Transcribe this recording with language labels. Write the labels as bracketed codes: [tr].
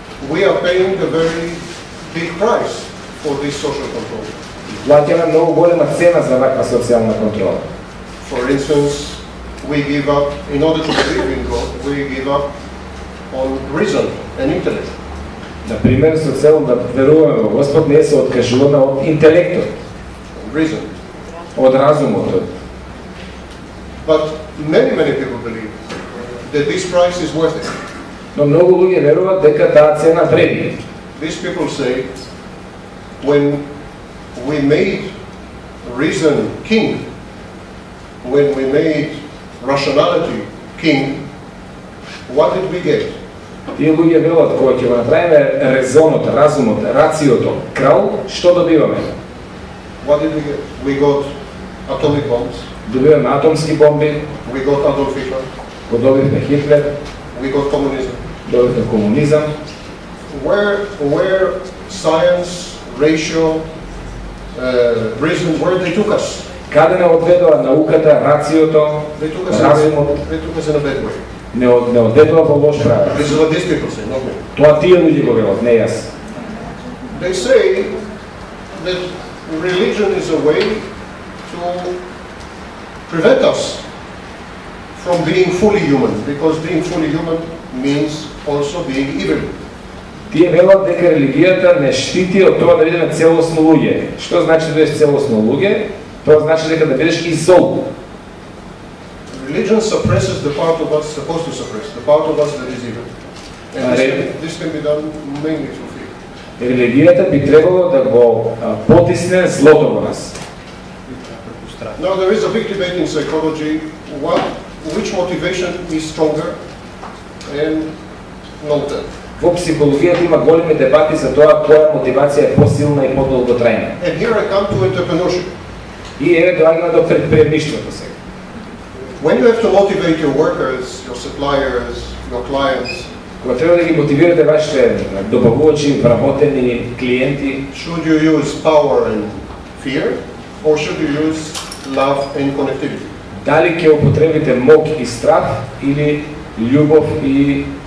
[en] We are paying a very big price for this social control. [mk] Платиме многу голема цена за ваква социјална контрола. [en] For instance, we give up, in order to believe in God, we give up on reason and intellect. [mk] На пример, со цел да веруваме во Господ, не се откажуваме од интелектот. [en] Reason. [mk] Од разумот. [en] But many people believe that this price is worth it. [mk] Но многу луѓе веруваат дека таа цена вреди. [en] These people say, when we made reason king, when we made rationality king, what did we get? [mk] Тие луѓе веруваат кога ќе го направиме резонот, разумот, рациото крал, што добиваме? [en] What did we get? We got atomic bombs. [mk] Добиваме атомски бомби. [en] We got Adolf Hitler. [mk] Го добивме Хитлер. [en] We got communism. [mk] Добивме комунизам. [en] Where science, ratio, reason, where they took us? [mk] Каде не одведува науката, рациото, разумот? [en] They took us in a bad way. [mk] Не одведува во лош правец. [en] This is what these people say, not me. [mk] Тоа тие луѓе го велат, не јас. [en] They say that religion is a way to prevent us from being fully human, because being fully human means also being evil. [mk] Тие велат дека религијата не штити од тоа да бидеме целосно луѓе. Што значи да бидеш целосно луѓе? Тоа значи дека да бидеш и зол. [en] Religion suppresses the part of us supposed to suppress, the part of us that is evil. And this can be done mainly through fear. [mk] Религијата би требало да го потисне злото во нас. [en] Now there is a big debate in psychology. What, which motivation is stronger and long-term? [mk] Во психологијата има големи дебати за тоа која мотивација е посилна и подолготрајна. [en] And here I come to entrepreneurship. [mk] И еве доаѓаме до предприемништвото сега. [en] When you have to motivate your workers, your suppliers, your clients, [mk] кога треба да ги мотивирате вашите добавувачи, вработени клиенти, [en] should you use power and fear or should you use love and connectivity? [mk] Дали ќе употребите мок и страх или љубов и